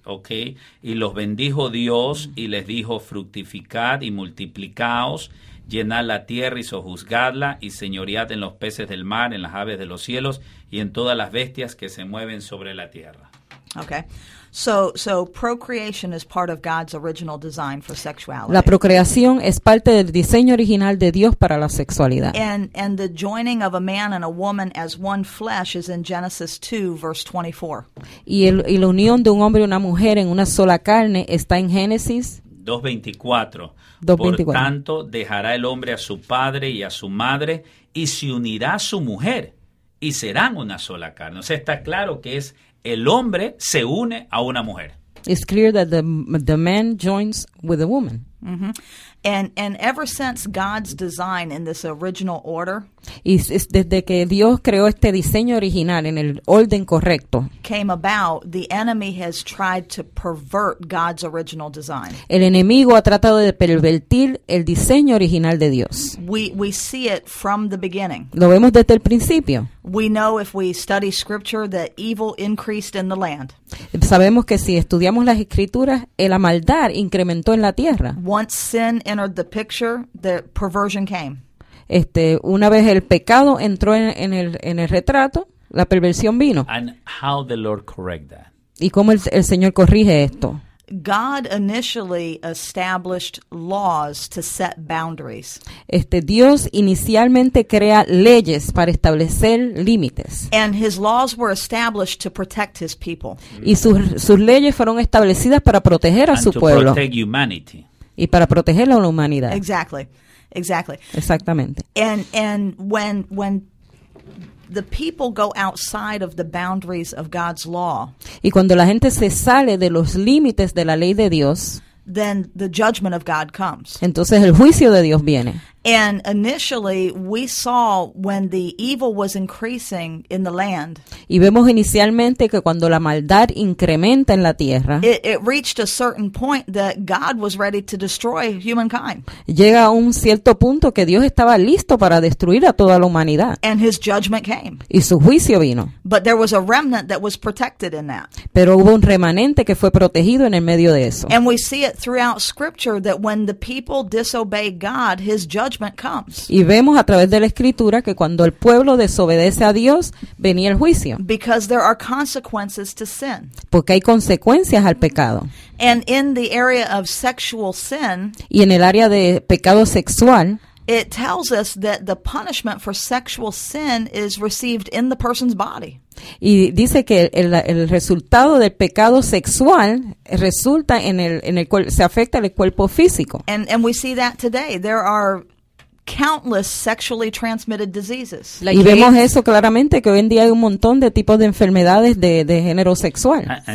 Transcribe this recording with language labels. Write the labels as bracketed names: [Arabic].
[Spanish] Okay, y los bendijo Dios y les dijo, fructificad y multiplicaos, llenad la tierra y sojuzgadla, y señoread en los peces del mar, en las aves de los cielos y en todas las bestias que se mueven sobre la tierra. [English] Okay. So procreation is part of God's original design for sexuality. [Spanish] La procreación es parte del diseño original de Dios para la sexualidad. [English] And the joining of a man and a woman as one flesh is in Genesis 2 verse 24. [Spanish] Y la unión de un hombre y una mujer en una sola carne está en Génesis 2:24. Por tanto, dejará el hombre a su padre y a su madre y se unirá a su mujer y serán una sola carne. O sea, está claro que es el hombre se une a una mujer. [English] It's clear that the man joins with a woman. Mm-hmm. And ever since God's design in this original order, [Spanish] es desde que Dios creó este diseño original en el orden correcto, [English] came about, the enemy has tried to pervert God's original design. [Spanish] El enemigo ha tratado de pervertir el diseño original de Dios. [English] We see it from the beginning. [Spanish] Lo vemos desde el principio. [English] We know if we study scripture that evil increased in the land. [Spanish] Sabemos que si estudiamos las escrituras, la maldad incrementó en la tierra. [English] Once sin entered the picture, the perversion came. [Spanish] Una vez el pecado entró en el retrato, la perversión vino. [English] And how the Lord correct that? [Spanish] ¿Y cómo el Señor corrige esto? [English] God initially established laws to set boundaries. [Spanish] Dios inicialmente crea leyes para establecer límites. [English] And his laws were established to protect his people. [Spanish] Y sus leyes fueron establecidas para proteger a su pueblo. [English] And to protect humanity. [Spanish] Y para proteger a la humanidad. [English] Exactly. Exactly. [Spanish] Exactamente. [English] And when the people go outside of the boundaries of God's law, [Spanish] y cuando la gente se sale de los límites de la ley de Dios, [English] then the judgment of God comes. [Spanish] Entonces el juicio de Dios viene. [English] And initially we saw when the evil was increasing in the land. [Spanish] Y vemos inicialmente que cuando la maldad incrementa en la tierra, [English] it reached a certain point that God was ready to destroy humankind. [Spanish] Llega a un cierto punto que Dios estaba listo para destruir a toda la humanidad. [English] And his judgment came. [Spanish] Y su juicio vino. [English] But there was a remnant that was protected in that. [Spanish] Pero hubo un remanente que fue protegido en el medio de eso. [English] And we see it throughout scripture that when the people disobey God, his judgment comes. [Spanish] Y vemos a través de la escritura que cuando el pueblo desobedece a Dios, venía el juicio. [English] Because there are consequences to sin. [Spanish] Porque hay consecuencias al pecado. [English] And in the area of sexual sin, [Spanish] y en el área de pecado sexual, [English] it tells us that the punishment for sexual sin is received in the person's body. [Spanish] Y dice que el resultado del pecado sexual resulta en el cual se afecta el cuerpo físico. [English] And we see that today. There are countless sexually transmitted diseases. [Spanish] Y vemos eso claramente, que hoy en día hay un montón de tipos de enfermedades de género sexual.